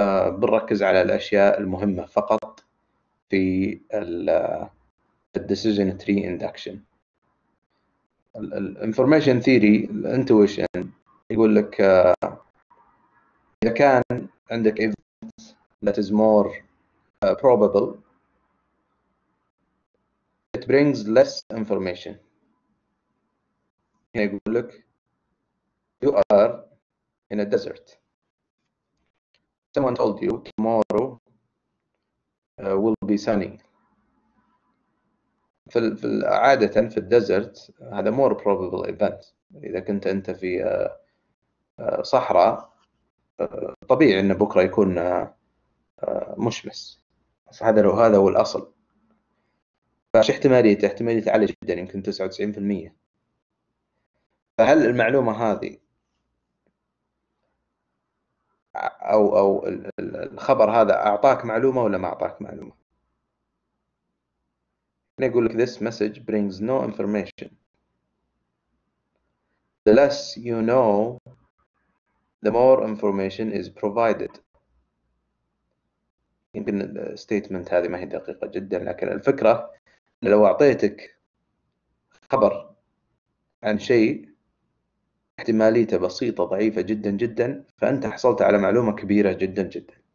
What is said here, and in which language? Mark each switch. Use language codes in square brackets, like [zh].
[ar] بنركز على الأشياء المهمة فقط في الـ decision tree induction. الـ information theory الـ intuition يقول لك إذا كان عندك event [en] that is more probable, it brings less information. [ar] هنا يقول لك [en] you are in a desert. Someone told you tomorrow will be sunny. [ar] في عادة في الديزرت هذا [en] more probable event. [ar] إذا كنت أنت في صحراء طبيعي أن بكرة يكون مشمس. هذا لو هذا هو الأصل. فش احتمالية؟ احتمالية عالية جدا يمكن 99%. فهل المعلومة هذه أو الخبر هذا أعطاك معلومة ولا ما أعطاك معلومة؟ يقول لك [en] this message brings no information. The less you know, the more information is provided. [ar] يمكن الستيتمنت هذه ما هي دقيقة جدا، لكن الفكرة لو أعطيتك خبر عن شيء احتماليته بسيطة ضعيفة جدا جدا، فأنت حصلت على معلومة كبيرة جدا جدا.